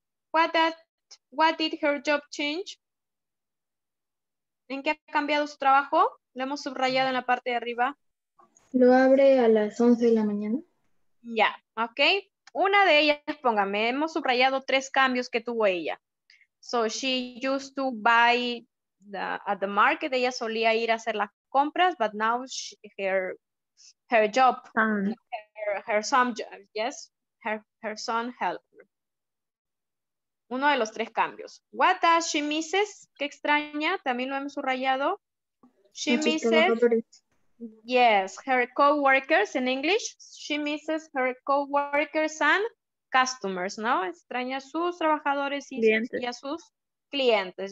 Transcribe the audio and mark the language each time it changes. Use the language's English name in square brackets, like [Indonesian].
[English] What did her job change? [Spanish] ¿En qué ha cambiado su trabajo? Lo hemos subrayado en la parte de arriba. Lo abre a las 11 de la mañana. Ya, yeah, ok. Una de ellas, póngame, hemos subrayado tres cambios que tuvo ella. [English] So she used to buy at the market. [Spanish] Ella solía ir a hacer las compras, [English] but now she, her job, her son, yes, her son helped. [Spanish] Uno de los tres cambios. [English] What does she misses? [Spanish] Qué extraña, también lo hemos subrayado. [English] She misses, yes, her co-workers in English. She misses her co-workers and customers, ¿no? [Spanish] Extraña a sus trabajadores y a sus clientes.